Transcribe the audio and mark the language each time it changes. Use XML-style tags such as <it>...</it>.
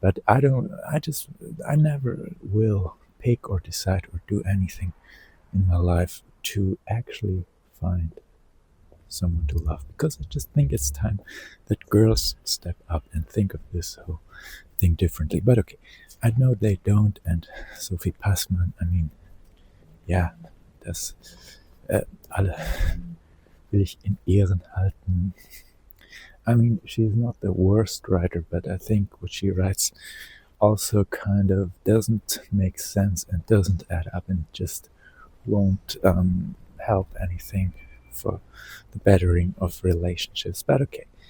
<en>But I never will pick or decide or do anything in my life to actually find someone to love, because I just think it's time that girls step up and think of this whole thing differently. But okay, I know they don't. And Sophie Passmann, I mean, yeah.</en> <de>Das alle will ich in Ehren halten.</de> <en>I mean, she's not the worst writer, but I think what she writes also kind of doesn't make sense and doesn't add up and just won't help anything for the bettering of relationships. But okay.</en>